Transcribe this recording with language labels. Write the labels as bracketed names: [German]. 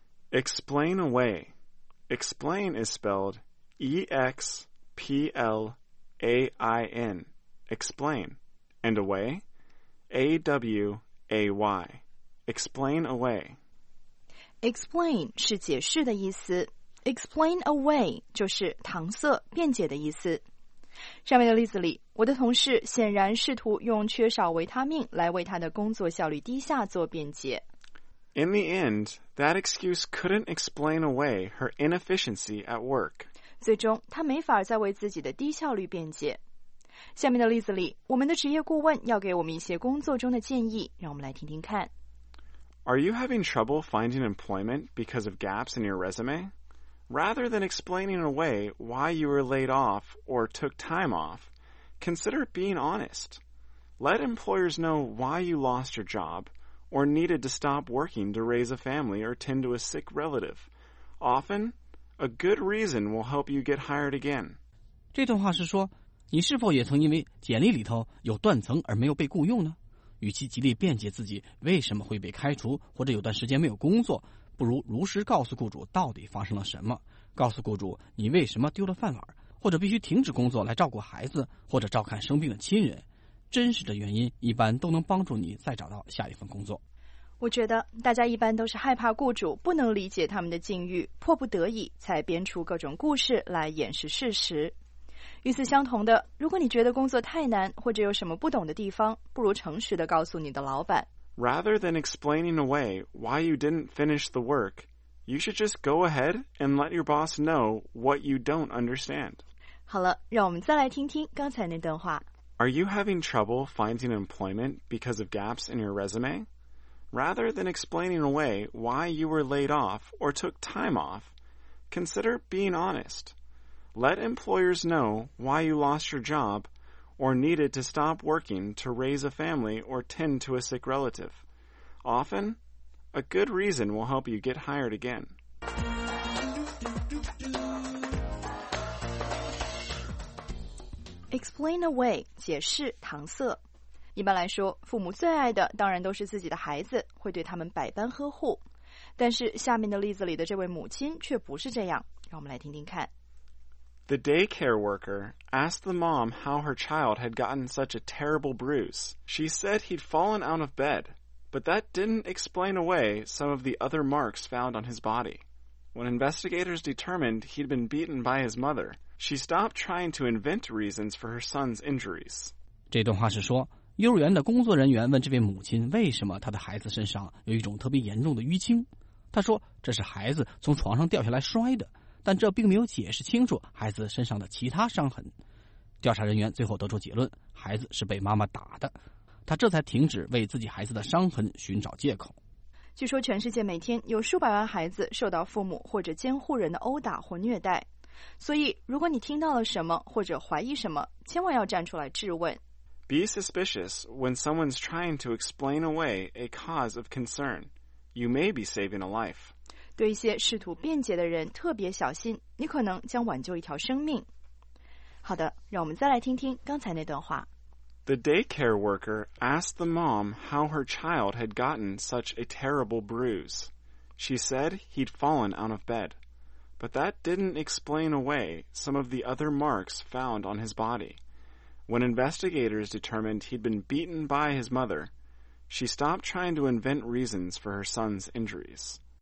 [English] explain awayExplain is spelled E-X-P-L-A-I-N, explain, and away, A-W-A-Y, explain away. [Chinese] Explain 是解释的意思 ,explain away 就是搪塞、辩解的意思。上面的例子里，我的同事显然试图用缺少维他命来为他的工作效率低下做辩解。 [English] In the end, that excuse couldn't explain away her inefficiency at work. [Chinese] 最终，她没法再为自己的低效率辩解。下面的例子里，我们的职业顾问要给我们一些工作中的建议，让我们来听听看。 [English] Are you having trouble finding employment because of gaps in your resume? Rather than explaining away why you were laid off or took time off, consider being honest. Let employers know why you lost your job,or needed to stop working to raise a family or tend to a sick relative. Often, a good reason will help you get hired again. [Chinese] 这段话是说，你是否也曾因为简历里头有断层而没有被雇用呢？与其极力辩解自己为什么会被开除或者有段时间没有工作，不如如实告诉雇主到底发生了什么，告诉雇主你为什么丢了饭碗，或者必须停止工作来照顾孩子或者照看生病的亲人。真实的原因一般都能帮助你再找到下一份工作。我觉得大家一般都是害怕雇主不能理解他们的境遇，迫不得已才编出各种故事来掩饰事实。与此相同的，如果你觉得工作太难或者有什么不懂的地方，不如诚实地告诉你的老板。 [English] Rather than explaining away why you didn't finish the work, you should just go ahead and let your boss know what you don't understand. [Chinese] 好了，让我们再来听听刚才那段话。 Are you having trouble finding employment because of gaps in your resume? Rather than explaining away why you were laid off or took time off, consider being honest. Let employers know why you lost your job or needed to stop working to raise a family or tend to a sick relative. Often, a good reason will help you get hired again. Explain away, 解释、搪塞。一般来说，父母最爱的当然都是自己的孩子，会对他们百般呵护。但是下面的例子里的这位母亲却不是这样，让我们来听听看。 [English] The daycare worker asked the mom how her child had gotten such a terrible bruise. She said he'd fallen out of bed, but that didn't explain away some of the other marks found on his body. When investigators determined he'd been beaten by his mother, she stopped trying to invent reasons for her son's injuries. [Chinese] 这段话是说，幼儿园的工作人员问这位母亲为什么她的孩子身上有一种特别严重的淤青。她说这是孩子从床上掉下来摔的，但这并没有解释清楚孩子身上的其他伤痕。调查人员最后得出结论，孩子是被妈妈打的。她这才停止为自己孩子的伤痕寻找借口。据说全世界每天有数百万孩子受到父母或者监护人的殴打或虐待。所以如果你听到了什么或者怀疑什么，千万要站出来质问。 [English] Be suspicious when someone's trying to explain away a cause of concern. You may be saving a life. [Chinese] 对一些试图辩解的人特别小心，你可能将挽救一条生命。好的，让我们再来听听刚才那段话。 [English] The daycare worker asked the mom how her child had gotten such a terrible bruise. She said he'd fallen out of bed. But that didn't explain away some of the other marks found on his body. When investigators determined he'd been beaten by his mother, she stopped trying to invent reasons for her son's injuries.